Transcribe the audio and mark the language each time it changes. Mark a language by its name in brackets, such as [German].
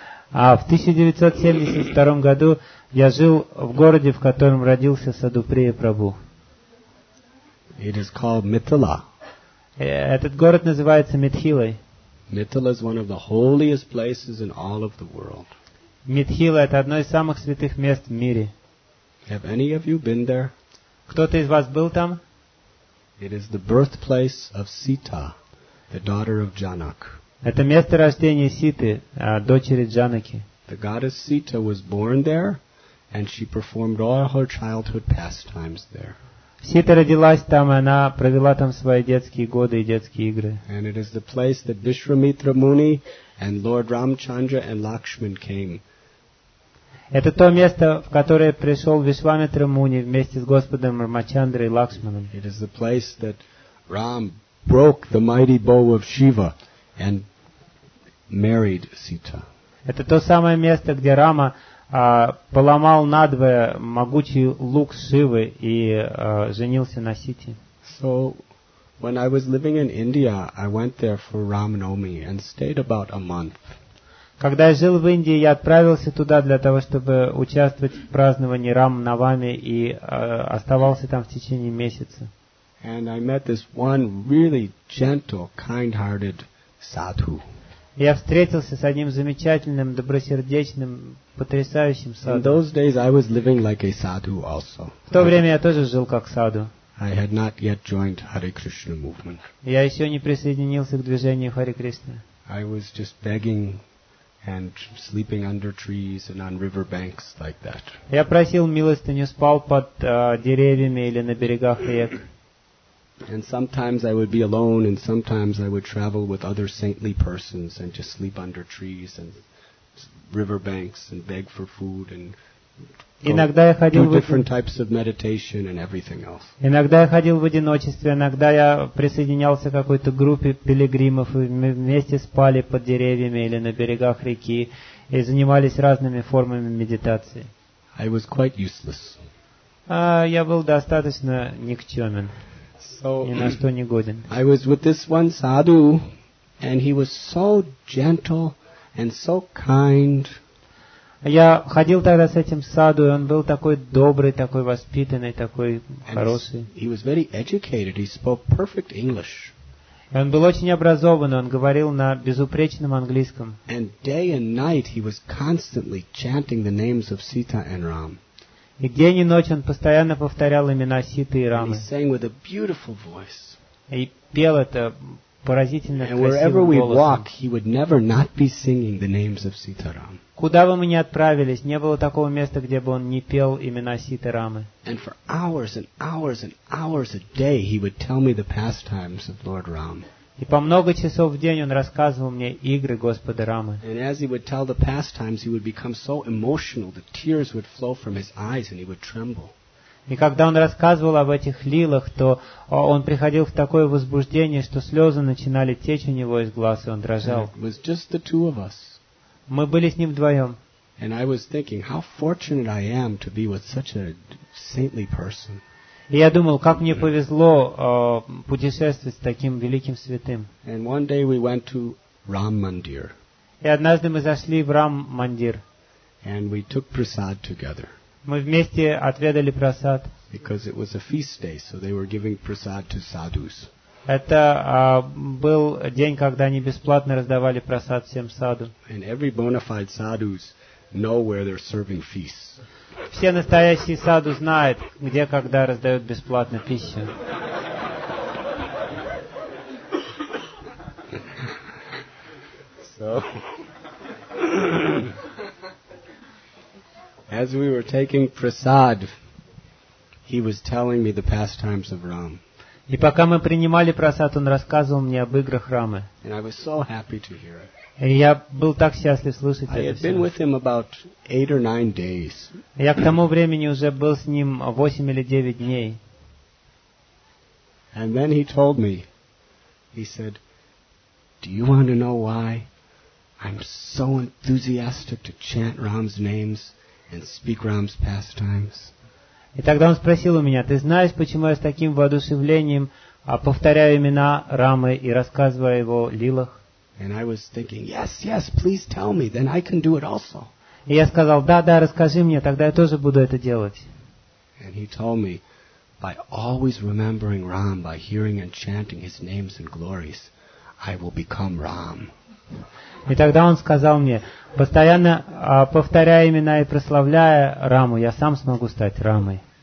[Russian] В 1972 году я жил в городе, в котором родился Саду Прия Прабу. [English] It is called Mithila. [Russian] Этот город называется Митхилой. [English] Mithila is one of the holiest places in all of the world. [Russian] Митхила — это одно из самых святых мест в мире. [English] Have any of you been there? [Russian] Кто-то из вас был там? [English] It is the birthplace of Sita, the daughter of Janak. [Russian] Это место рождения Ситы, дочери Джанаки. [English] The goddess Sita was born there, and she performed all her childhood pastimes there. [Russian] Сита родилась там, и она провела там свои детские годы и детские игры. [English] And it is the place that Vishwamitra Muni and Lord Ramchandra and Lakshman came. [Russian] Это то место, в которое пришел Вишвамитра Муни вместе с Господом Рамачандрой и Лакшманом. [English] It is the place that Ram broke the mighty bow of Shiva and married Sita. [Russian] Это то самое место, где Рама поломал надвое могучий лук Шивы и женился на Сите. [English] So when I was living in India, I went there for Ram Navami and stayed about a month. [Russian] Когда я жил в Индии, я отправился туда для того, чтобы участвовать в праздновании Рам Навами и оставался там в течение месяца. [English] And I met this one really gentle, kind-hearted sadhu. [Russian] Я встретился с одним замечательным, добросердечным, потрясающим садху. [English] In those days I was living like a sadhu also. [Russian] В то время я тоже жил как садху. [English] I had not yet joined Hare Krishna movement. [Russian] Я ещё не присоединился к движению Хари Кришна. [English] I was just begging and sleeping under trees and on river banks like that. [Russian] Я просил милостыню, спал под деревьями или на берегах рек. [English] And sometimes I would be alone, and sometimes I would travel with other saintly persons and just sleep under trees and river banks and beg for food and [Russian] иногда я ходил [English] do different types of meditation and everything else. [Russian] Иногда я ходил в одиночестве, иногда я присоединялся к какой-то группе пилигримов, и мы вместе спали под деревьями или на берегах реки и занимались разными формами медитации. [English] I was quite useless. [Russian] Я был достаточно никчемен. [English] So I was with this one sadhu, and he was so gentle and so kind. [Russian] Я ходил тогда с этим саду, и он был такой добрый, такой воспитанный, такой хороший. [English] He was very educated. He spoke perfect English. [Russian] Он был очень образованный. Он говорил на безупречном английском. [English] And day and night he was constantly chanting the names of Sita and Ram. [Russian] И день и ночь он постоянно повторял имена Ситы и Рамы. [English] And he sang with a beautiful voice. [Russian] И пел это поразительно [English] and [Russian] красивым [English] wherever we [Russian] голосом. [English] Walk, he would never not be singing the names of Sita Ram. [Russian] Куда бы мы ни отправились, не было такого места, где бы он не пел имена Ситы и Рамы. [English] And for hours and hours and hours a day, he would tell me the pastimes of Lord Ram. [Russian] И по много часов в день он рассказывал мне игры Господа Рамы. [English] And as he would tell the pastimes, he would become so emotional that tears would flow from his eyes and he would tremble. [Russian] И когда он рассказывал об этих лилах, то он приходил в такое возбуждение, что слезы начинали течь у него из глаз, и он дрожал. [English] And it was just the two of us. [Russian] Мы были с ним вдвоем. [English] And I was thinking, how fortunate I am to be with such a saintly person. [Russian] И я думал, как мне повезло путешествовать с таким великим святым. [English] And one day we went to Ram Mandir. [Russian] И однажды мы зашли в Рам Мандир. [English] And we took prasad together. [Russian] Мы вместе отведали прасад. [English] Because it was a feast day, so they were giving prasad to sadhus. [Russian] Это был день, когда они бесплатно раздавали прасад всем саду. [English] And every bona fide sadhus know where they're serving feasts. [Russian] Все настоящие саду знают, где когда раздают бесплатно пищу. [English] So, as we were taking prasad, he was telling me the pastimes of Ram. [Russian] И пока мы принимали прасад, он рассказывал мне об играх Рамы. [English] And I was so happy to hear it. [Russian] Я был так счастлив слышать это. [English] I had been with him about 8 or 9 days. [Russian] Я к тому времени уже был с ним 8 или 9 дней. [English] And then he told me, he said, "Do you want to know why I'm so enthusiastic to chant Ram's names and speak Ram's pastimes?" [Russian] И тогда он спросил у меня: "Ты знаешь, почему я с таким воодушевлением повторяю имена Рамы и рассказываю о его лилах?" [English] And I was thinking, yes, yes, please tell me, then I can do it also. [Russian] И я сказал, да, да, расскажи мне, тогда я тоже буду это делать. [English] And he told me, by always remembering Ram, by hearing and chanting his names and glories, I will become Ram. [Russian] И тогда он сказал мне, постоянно повторяя имена и прославляя Раму, я сам смогу стать Рамой.